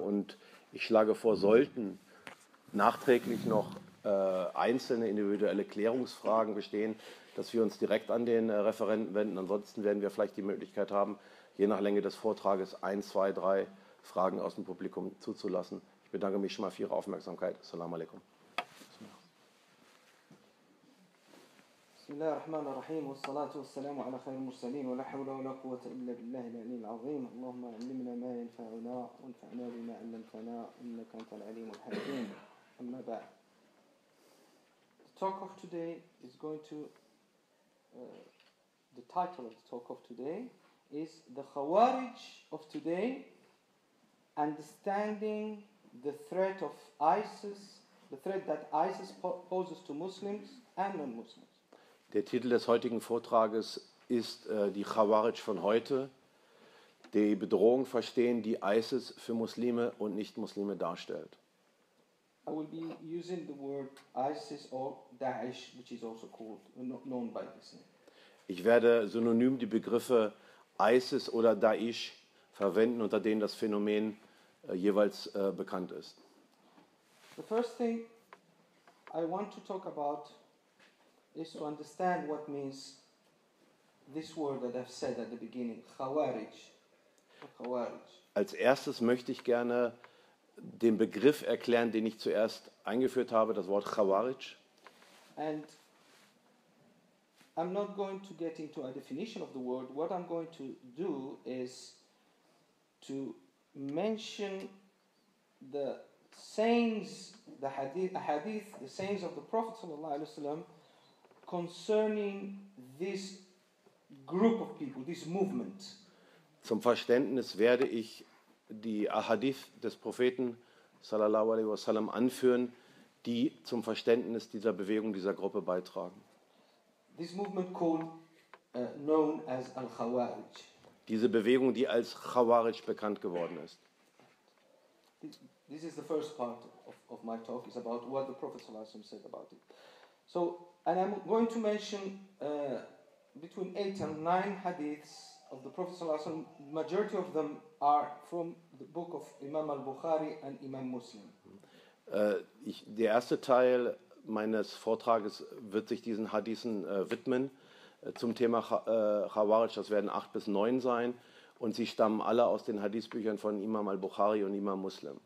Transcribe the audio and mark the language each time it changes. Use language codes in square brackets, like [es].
[de] Und ich schlage vor, sollten nachträglich noch einzelne individuelle Klärungsfragen bestehen, dass wir uns direkt an den Referenten wenden. Ansonsten werden wir vielleicht die Möglichkeit haben, je nach Länge des Vortrages 1, 2, 3 Fragen aus dem Publikum zuzulassen. Ich bedanke mich schon mal für Ihre Aufmerksamkeit. [ar] Assalamu alaikum. بسم الله الرحمن الرحيم والصلاة والسلام على خير المرسلين ولا حول ولا قوة إلا بالله العلي العظيم اللهم علمنا ما ينفعنا وانفعنا بما علمتنا إنك أنت العليم الحكيم أما بعد. [en] The talk of today is going to the title of the talk of today is The Khawarij of Today Understanding the Threat of ISIS, the threat that ISIS poses to Muslims and non-Muslims. [de] Der Titel des heutigen Vortrages ist die Khawarij von heute, die Bedrohung verstehen, die ISIS für Muslime und Nicht-Muslime darstellt. [en] I will be using the word ISIS or Daesh, which is also called, known by this name. [de] Ich werde synonym die Begriffe ISIS oder Daesh verwenden, unter denen das Phänomen jeweils bekannt ist. [en] The first thing I want to talk about is to understand what means this word that I've said at the beginning, Khawarij. Khawarij. [de] Als erstes möchte ich gerne den Begriff erklären, den ich zuerst eingeführt habe, das Wort Khawarij. [en] And I'm not going to get into a definition of the word. What I'm going to do is to mention the sayings, the hadith, the sayings of the Prophet sallallahu alaihi wasallam concerning this group of people, this movement. [de] Zum Verständnis werde ich die Ahadith des Propheten sallallahu alaihi wasallam anführen, die zum Verständnis dieser Bewegung, dieser Gruppe beitragen. [en] This movement called known as al-Khawarij. [de] Diese Bewegung, die als Khawarij bekannt geworden ist. [en] This is the first part of my talk is about what the Prophet sallallahu alaihi wasallam said about it. So, and I'm going to mention between 8 and 9 hadiths of the Prophet sallallahu alaihi wasallam. Majority of them are from the book of Imam al-Bukhari and Imam Muslim. [de] Der erste Teil meines Vortrages wird sich diesen Hadithen widmen zum Thema Khawarij. Das werden 8 bis 9 sein und sie stammen alle aus den Hadithbüchern von Imam al-Bukhari und Imam Muslim.